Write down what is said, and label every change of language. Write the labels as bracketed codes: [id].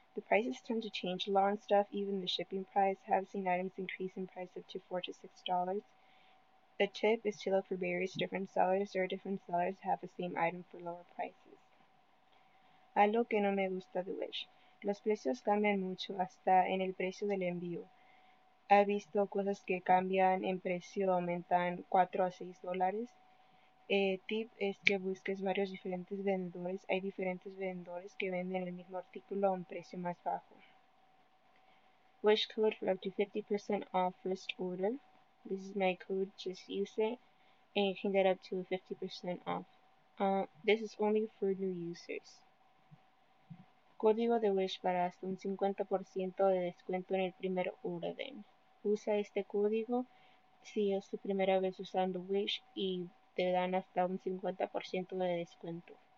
[en] The prices tend to change a lot on stuff, even the shipping price. I have seen items increase in price up to $4 to $6. A tip is to look for various different sellers. There are different sellers that have the same item for lower prices. [es] Algo que no me gusta de Wish. Los precios cambian mucho hasta en el precio del envío. He visto cosas que cambian en precio, aumentan $4 a $6. Tip es que busques varios diferentes vendedores. Hay diferentes vendedores que venden el mismo artículo a un precio más bajo. [en] Wish code for up to 50% off first order. This is my code, just use it, and you can get up to 50% off. This is only for new users. [es] Código de Wish para hasta un 50% de descuento en el primer orden. Usa este código si es tu primera vez usando Wish y te dan hasta un 50% de descuento.